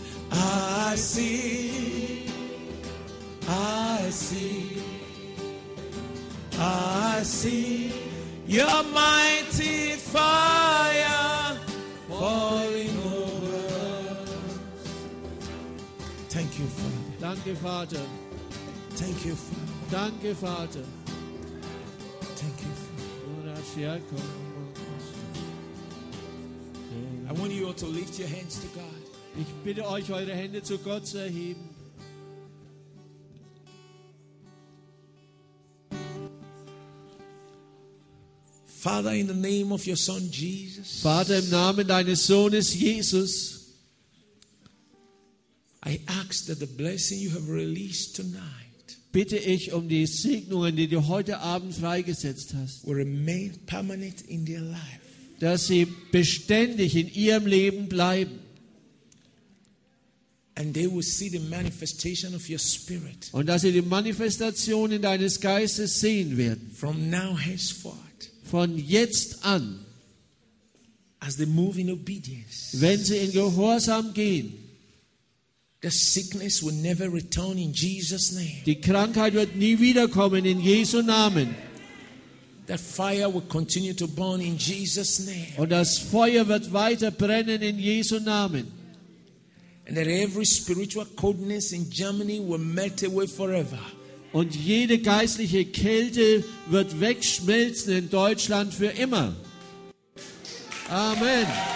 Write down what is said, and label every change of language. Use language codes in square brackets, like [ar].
[en] I see your mighty fire falling over us. Thank you, Father. [de] Danke, Vater. [en] Thank you, Father. [de] Danke, Vater. [en] Thank you, Father. I want you all to lift your hands to God. [de] Ich bitte euch, eure Hände zu Gott zu erheben. [en] Father, in the name of your Son Jesus. [de] Vater, im Namen deines Sohnes Jesus. [en] I ask that the blessing you have released tonight. [de] Bitte ich um die Segnungen, die du heute Abend freigesetzt hast. [en] Will remain permanent in their life. [de] Dass sie beständig in ihrem Leben bleiben. [en] And they will see the manifestation of your spirit. [de] Und dass sie die Manifestation in deines Geistes sehen werden. [en] From now henceforth. [de] Von jetzt an. [en] As they move in obedience. [de] Wenn sie in Gehorsam gehen. [en] The sickness will never return in Jesus' name. [de] Die Krankheit wird nie wiederkommen in Jesu Namen. [en] That fire will continue to burn in Jesus' name. [de] Und das Feuer wird weiter brennen in Jesu Namen. [en] And that every spiritual coldness in Germany will melt away forever. [de] Und jede geistliche Kälte wird wegschmelzen in Deutschland für immer. Amen.